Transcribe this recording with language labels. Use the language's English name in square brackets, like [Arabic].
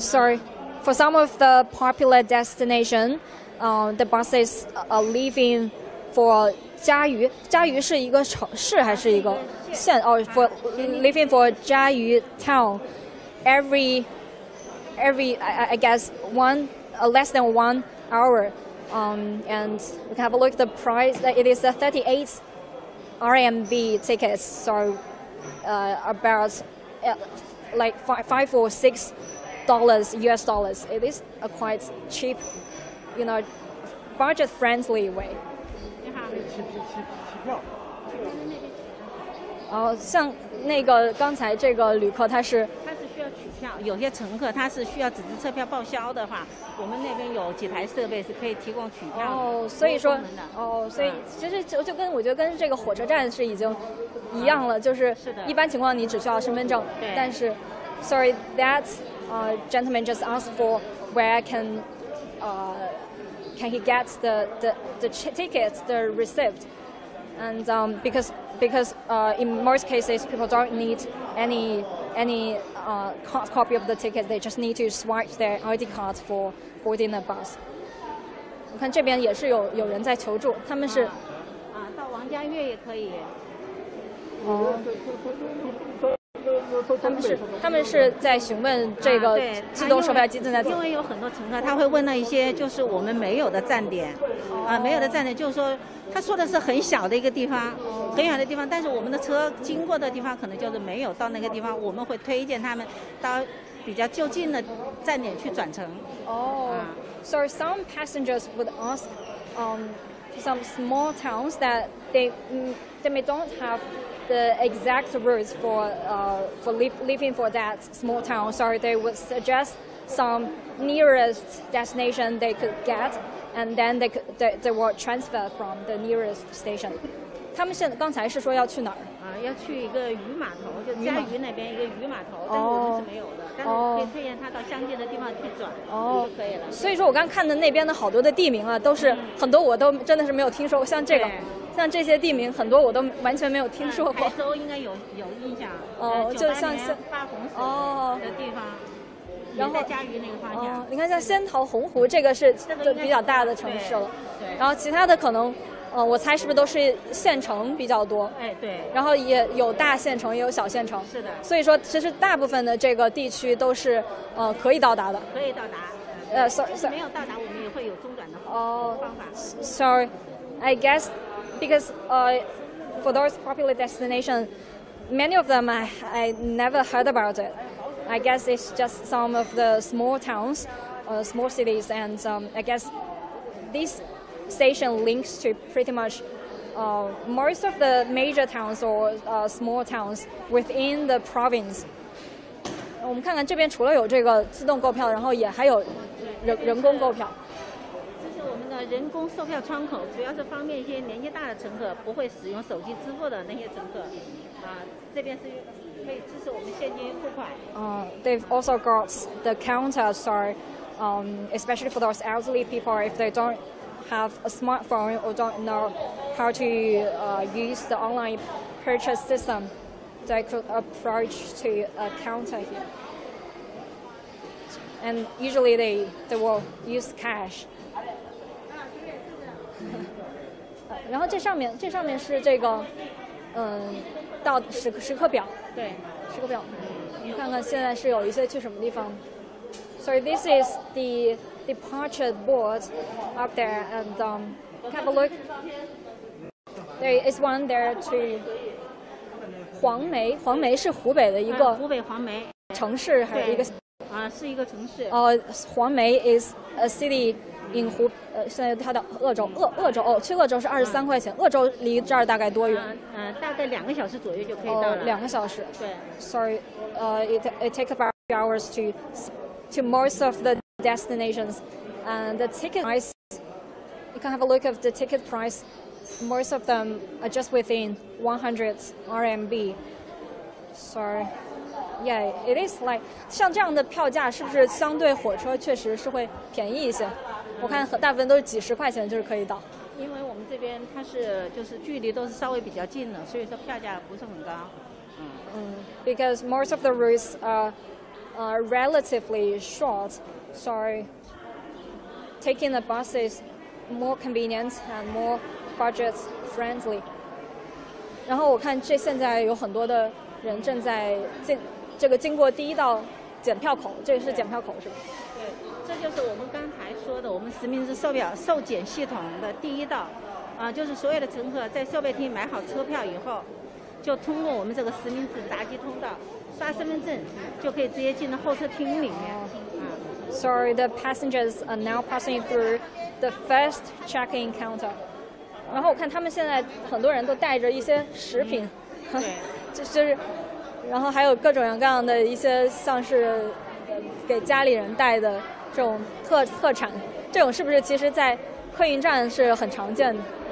[English] Sorry, for some of the popular destination, the buses are leaving for嘉鱼。 [Chinese] 嘉鱼是一个城市还是一个县？ [English] Leaving for 嘉鱼 town, every, I guess, less than 1 hour. And we can have a look at the price. It is a 38 RMB ticket, so about like $5 or $6 US dollars. It is a quite cheap, you know, budget friendly way. [Chinese] 你好，机票。像那个刚才这个旅客他是需要取票，有些乘客他是需要纸质车票报销的话。我们那边有几台设备是可以提供取票的，所以其实就跟我觉得跟这个火车站是已经一样了，就是一般情况你只需要身份证，但是 [English] ，sorry that gentleman just asked for where can he get the tickets the receipt and because in most cases people don't need any copy of the ticket, they just need to swipe their ID card for boarding the bus. [Chinese] 我看这边也是有人在求助，他们是到王家月也可以。他们是在询问这个自动售票机正在走，因为有很多乘客他会问到一些就是我们没有的站点，没有的站点，就是说他说的是很小的一个地方，很远的地方，但是我们的车经过的地方可能就是没有到那个地方，我们会推荐他们到比较就近的站点去转乘。 [English] So some passengers would ask some small towns that they may don't have. The exact routes for leaving for that small town. Sorry, they would suggest some nearest destination they could get, and then they will transfer from the nearest station. [Chinese] 他们现在刚才是说要去哪儿？要去一个渔码头，就嘉鱼那边一个渔码头，但是我们是没有的，但是我可以推荐他到相近的地方去转，就可以了。所以说我刚看的那边的好多的地名啊，都是很多我都真的是没有听说过，像这个。像这些地名很多我都完全没有听说过，台州应该有印象，就像是发洪水的地方，然后在嘉鱼那个方向，你看像仙桃洪湖这个是比较大的城市了，对，然后其他的可能我猜是不是都是县城比较多？哎，对。然后也有大县城，也有小县城。是的。所以说，其实大部分的这个地区都是，可以到达的。可以到达。 [English] Sorry, I guess because for those popular destinations, many of them I never heard about it. I guess it's just some of the small towns, small cities, and I guess this station links to pretty much most of the major towns or small towns within the province. [Chinese] 我们看看这边除了有这个自动购票，然后也还有人工购票。这是我们的人工售票窗口，主要是方便一些年纪大的乘客，不会使用手机支付的那些乘客。这边是可以支持我们现金付款。 [English] They've also got the counter, sorry, especially for those elderly people if they don't have a smartphone or don't know how to use the online purchase system, they could approach to a counter here. And usually they will use cash. [Chinese] 然后这上面是这个，到时刻表。对，时刻表。你看看现在是有一些去什么地方。 [English] So this is the departure board up there, and have a look. There is one there to 黄梅 [Chinese] 是湖北的一个湖北黄梅城市，还有一个。是一个城市。黄梅 [English] is a city in [Chinese] 湖，现在它的鄂州，鄂州哦，去鄂州是23块钱。鄂州离这儿大概多远？大概2个小时左右就可以到了。两个小时。对。 [English] Sorry, it takes about 3 hours to most of the destinations, and the ticket price. You can have a look at the ticket price. Most of them are just within 100 RMB. Sorry. Yeah, it is like [Chinese] 像这样的票价是不是相对火车确实是会便宜一些？我看大部分都是几十块钱就是可以到。因为我们这边它是就是距离都是稍微比较近的，所以说票价不是很高。 [English] Because most of the routes are relatively short, so taking the bus is more convenient and more budget friendly. [Chinese] 然后我看这现在有很多的人正在进。这个经过第一道检票口，这个是检票口是吧？对，这就是我们刚才说的，我们实名制售检系统的第一道，就是所有的乘客在售票厅买好车票以后，就通过我们这个实名制闸机通道刷身份证，就可以直接进到候车厅里面。 [English] Sorry, the passengers are now passing through the first check-in counter. [Chinese] 然后我看他们现在很多人都带着一些食品，对，就是。然后还有各种各样的一些像是给家里人带的这种特产，这种是不是其实在客运站是很常见的？